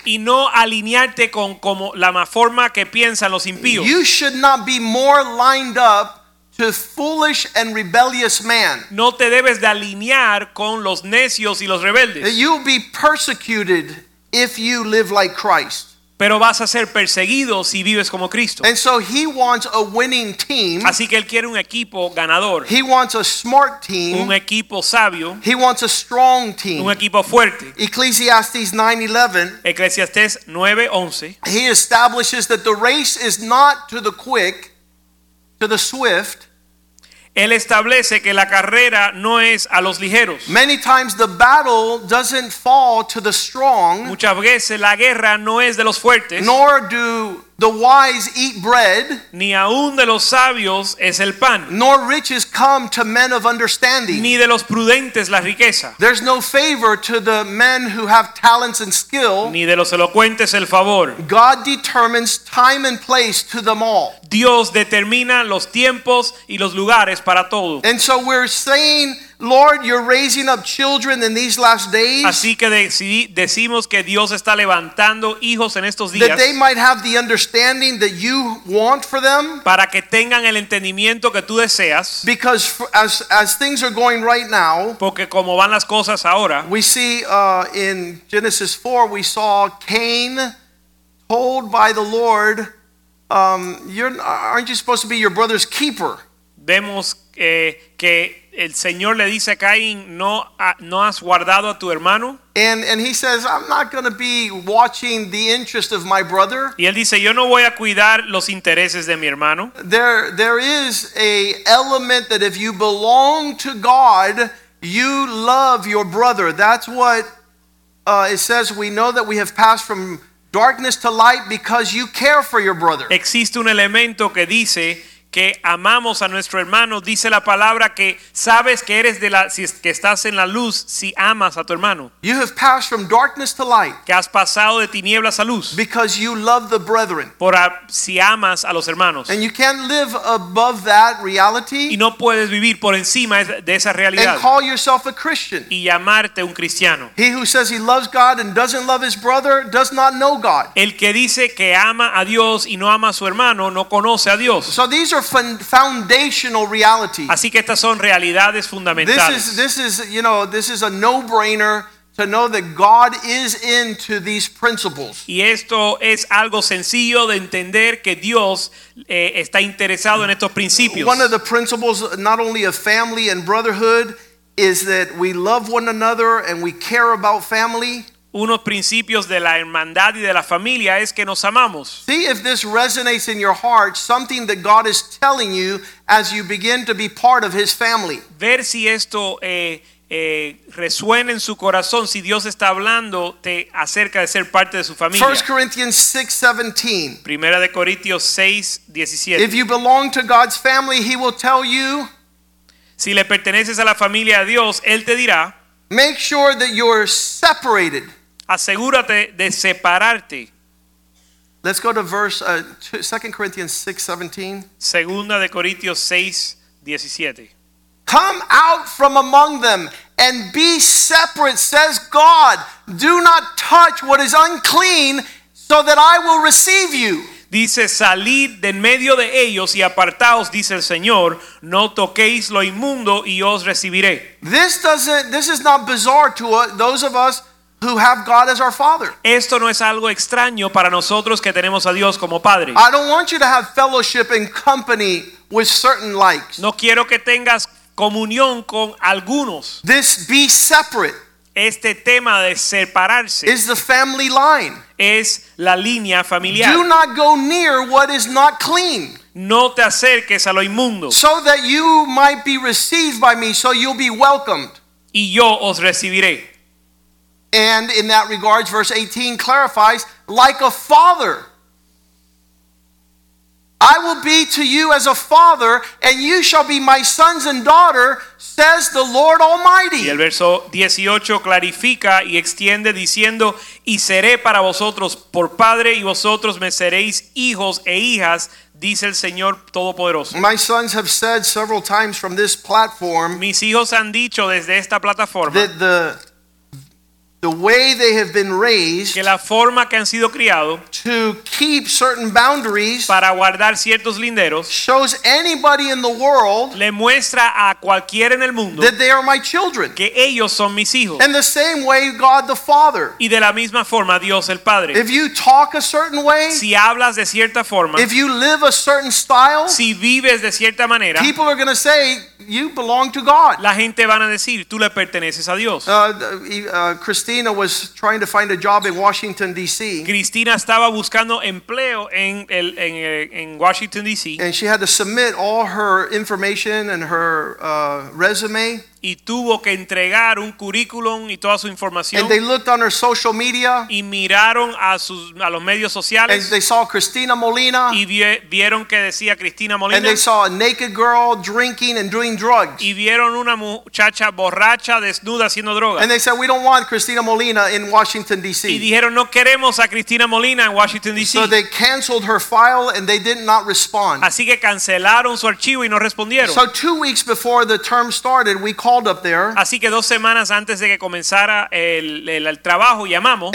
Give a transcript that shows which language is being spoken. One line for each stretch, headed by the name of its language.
Spanish: Y no alinearte con como la forma que piensan los impíos.
English: You should not be more lined up to foolish and rebellious man.
Spanish: No te debes de alinear con los necios y los rebeldes.
English: You'll be persecuted if you live like Christ.
Spanish: Pero vas a ser perseguido si vives como Cristo.
English: And so he wants a winning team.
Spanish: Así que él quiere un equipo ganador.
English: He wants a smart team.
Spanish: Un equipo sabio.
English: He wants a strong team.
Spanish: Un equipo fuerte.
English: Ecclesiastes 9:11. Ecclesiastes 9:11. He establishes that the race is not to the quick, to the swift.
Spanish: Él establece que la carrera no es a los ligeros.
English: Many times the battle doesn't fall to the strong.
Spanish: Muchas veces la guerra no es de los fuertes.
English: Nor do the wise eat bread.
Spanish: Ni aun de los sabios es el pan.
English: Nor riches come to men of understanding.
Spanish: Ni de los prudentes la riqueza.
English: There's no favor to the men who have talents and skill.
Spanish: Ni de los elocuentes el favor.
English: God determines time and place to them all.
Spanish: Dios determina los tiempos y los lugares para todo.
English: And so we're saying, Lord, you're raising up children in these last days.
Spanish: Así que decimos que Dios está levantando hijos en estos días.
English: That they might have the understanding that you want for them.
Spanish: Para que tengan el entendimiento que tú deseas.
English: Because as things are going right now,
Spanish: porque como van las cosas ahora,
English: we see in Genesis 4, we saw Cain told by the Lord, aren't you supposed to be your brother's keeper?
Spanish: Vemos que el Señor le dice a Caín, no has guardado a tu hermano.
English: And he says, I'm not going to be watching the interest of my brother.
Spanish: Y él dice, yo no voy a cuidar los intereses de mi hermano.
English: There is a element that if you belong to God, you love your brother. That's what it says. We know that we have passed from darkness to light because you care for your brother.
Spanish: Existe un elemento que dice que amamos a nuestro hermano, dice la palabra que sabes que eres de la, si es que estás en la luz, si amas a tu hermano.
English: You have passed from darkness to light.
Spanish: Que has pasado de tinieblas a luz.
English: Because you love the brethren.
Spanish: Si amas a los hermanos.
English: And you can't live above that reality.
Spanish: Y no puedes vivir por encima de esa realidad.
English: And call yourself a Christian.
Spanish: Y llamarte un cristiano.
English: He who says he loves God and doesn't love his brother does not know God.
Spanish: El que dice que ama a Dios y no ama a su hermano no conoce a Dios.
English: So these are foundational realities.
Spanish: Así que estas son realidades fundamentales.
English: This is a no-brainer to know that God is into these principles.
Spanish: Y esto es algo sencillo de entender que Dios está interesado en estos principios.
English: One of the principles, not only of family and brotherhood, is that we love one another and we care about family.
Spanish: Unos principios de la hermandad y de la familia es que nos amamos.
English: See if this resonates in your heart, something that God is telling you as you begin to be part of his family.
Spanish: Ver si esto resuena en su corazón, si Dios está hablando te acerca de ser parte de su familia.
English: 1 Corinthians 6:17.
Spanish: Primera de Corintios 6:17.
English: If you belong to God's family, he will tell you.
Spanish: Si le perteneces a la familia de Dios, él te dirá.
English: Make sure that you're separated.
Spanish: Asegúrate de separarte.
English: Let's go to verse 2 Corinthians 6:17.
Spanish: Segunda de Corintios 6:17.
English: Come out from among them and be separate, says God. Do not touch what is unclean, so that I will receive you.
Spanish: Dice, salid de en medio de ellos y apartaos, dice el Señor, no toquéis lo inmundo y yo os recibiré.
English: This is not bizarre to those of us who have God as our father.
Spanish: Esto no es algo extraño para nosotros que tenemos a Dios como padre.
English: I don't want you to have fellowship and company with certain likes.
Spanish: No quiero que tengas comunión con algunos.
English: This be separate.
Spanish: Este tema de separarse
English: is the family line.
Spanish: Es la línea familiar.
English: Do not go near what is not clean.
Spanish: No te acerques a lo inmundo.
English: So that you might be received by me, so you'll be welcomed.
Spanish: Y yo os recibiré.
English: And in that regard, verse 18 clarifies, like a father. I will be to you as a father, and you shall be my sons and daughter, says the Lord Almighty.
Spanish: Y el verso 18 clarifica y extiende diciendo, y seré para vosotros por padre, y vosotros me seréis hijos e hijas, dice el Señor Todopoderoso.
English: My sons have said several times from this platform,
Spanish: mis hijos han dicho desde esta plataforma,
English: that the way they have been raised,
Spanish: que la forma que han sido criado,
English: to keep certain boundaries,
Spanish: para guardar ciertos linderos,
English: shows anybody in the world,
Spanish: le muestra a cualquiera en el mundo,
English: that they are my children,
Spanish: que ellos son mis hijos.
English: And the same way God the Father,
Spanish: y de la misma forma Dios el Padre.
English: If you talk a certain way,
Spanish: si hablas de cierta forma,
English: if you live a certain style,
Spanish: si vives de cierta manera,
English: people are going to say you belong to God.
Spanish: La gente van a decir, tú le perteneces a Dios.
English: Cristina was trying to find a job in Washington D.C.
Spanish: Cristina estaba buscando empleo en el en Washington D.C.
English: And she had to submit all her information and her resume.
Spanish: Y tuvo que entregar un currículum y toda su información.
English: And they looked on her social media.
Spanish: Y miraron a sus a los medios sociales.
English: And they saw Cristina Molina.
Spanish: Y vieron que decía Cristina Molina.
English: And they saw a naked girl drinking and doing drugs.
Spanish: Y vieron una muchacha borracha desnuda haciendo drogas.
English: And they said, we don't want Cristina Molina in Washington D.C.
Spanish: Y dijeron, no queremos a Cristina Molina en Washington D.C.
English: So they canceled her file and they did not respond.
Spanish: Así que cancelaron su archivo y no respondieron.
English: So 2 weeks before the term started, we called up there.
Spanish: Así que dos semanas antes de que comenzara el trabajo llamamos.